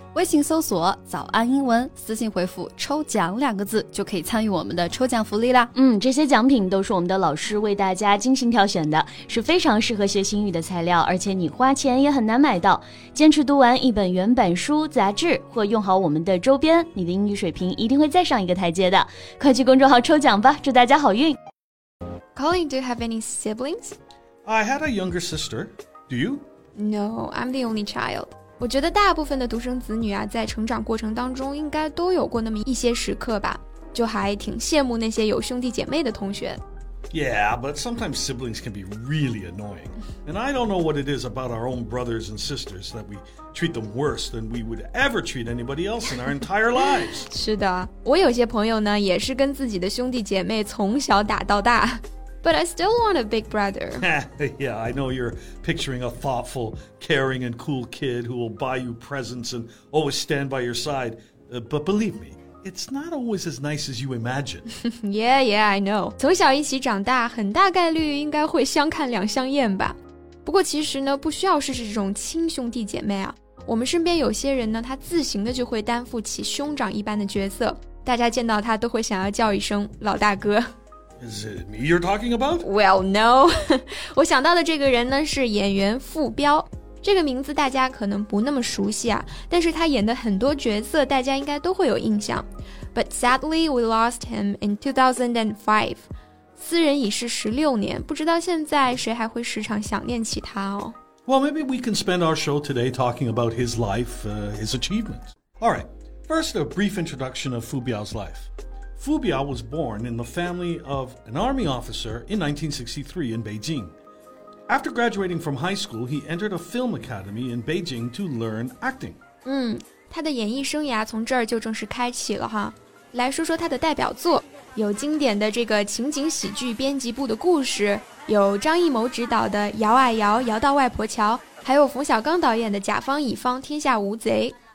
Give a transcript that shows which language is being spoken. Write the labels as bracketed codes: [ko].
[zh] 微信搜索早安英文，私信回复抽奖两个字，就可以参与我们的抽奖福利啦。嗯，这些奖品都是我们的老师为大家精心挑选的，是非常适合学习英语的材料，而且你花钱也很难买到。坚持读完一本原版书、杂志或用好我们的周边，你的英语水平一定会再上一个台阶的。快去公众号抽奖吧，祝大家好运。 [en] Colin, do you have any siblings? I had a younger sister. Do you? No, I'm the only child. [zh] 我觉得大部分的独生子女啊，在成长过程当中应该都有过那么一些时刻吧，就还挺羡慕那些有兄弟姐妹的同学。 [en] Yeah, but sometimes siblings can be really annoying. And I don't know what it is about our own brothers and sisters that we treat them worse than we would ever treat anybody else in our entire lives. [zh] 是的，我有些朋友呢，也是跟自己的兄弟姐妹从小打到大。 [en] But I still want a big brother. Yeah, I know you're picturing a thoughtful, caring, and cool kid who will buy you presents and always stand by your side. But believe me, it's not always as nice as you imagine. yeah, I know. [zh] 从小一起长大，很大概率应该会相看两相厌吧。不过其实呢，不需要是这种亲兄弟姐妹啊。我们身边有些人呢，他自行的就会担负起兄长一般的角色，大家见到他都会想要叫一声老大哥。 [en] Is it me you're talking about? Well, no. [zh] 我想到的这个人呢是演员傅彪。这个名字大家可能不那么熟悉啊，但是他演的很多角色大家应该都会有印象。 [en] But sadly, we lost him in 2005. [zh] 斯人已逝16年，不知道现在谁还会时常想念起他哦。 [en] Well, maybe we can spend our show today talking about his life, his achievements. All right, first a brief introduction of Fu Biao's life. Fu Biao was born in the family of an army officer in 1963 in Beijing. After graduating from high school, he entered a film academy in Beijing to learn acting. [zh] 嗯，他的演艺生涯从这儿就正式开启了哈。来说说他的代表作，有经典的这个情景喜剧《编辑部的故事》，有张艺谋执导的《摇啊摇，摇到外婆桥》，还有冯小刚导演的《甲方乙方，天下无贼》。